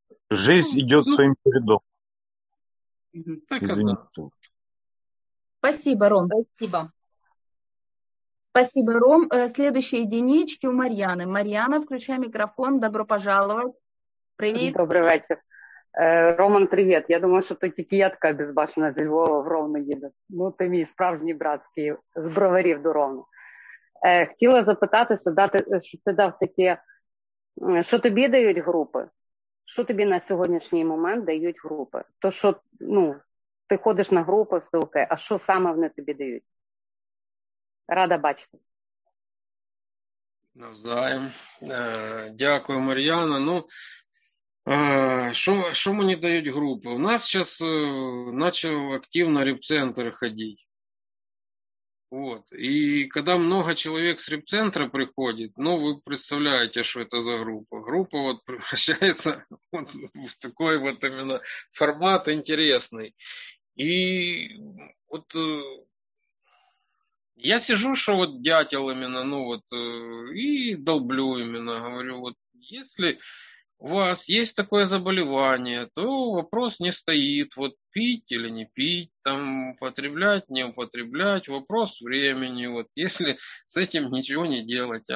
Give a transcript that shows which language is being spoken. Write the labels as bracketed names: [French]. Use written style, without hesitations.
[Russian] Жизнь идет своим чередом. Так извините. Спасибо, Ром. Спасибо. Спасибо, Ром. Следующие единички у Марьяны. Марьяна, включай микрофон. Добро пожаловать. Привет. Добрый вечер. Роман, привет. [Ukrainian] Я думаю, що тут етикетка безбашена зі Львова в Ровно їде. Ну, ти мій справжній брат з Броварів до Ровно. Хотіла запитатися, дати, щоб ти дав таке, що тобі дають групи? Що тобі на сьогоднішній момент дають групи? То, що, ну, ти ходиш на групи, все окей, а що саме вони тобі дають? Рада бачити. Навзаєм. Дякую, Мар'яна. Ну, що мені дають групи? У нас зараз почав активно реп-центр ходити. Вот. І коли много чоловік з реп-центру приходить, ну ви представляєте, що це за група. Група от превращається от в такий от именно формат інтересний. І от я сижу, що [Russian] от дятел именно, ну от і долблю именно, говорю, от если у вас есть такое заболевание, то вопрос не стоит, вот пить или не пить, там употреблять, не употреблять, вопрос времени, вот если с этим ничего не делать.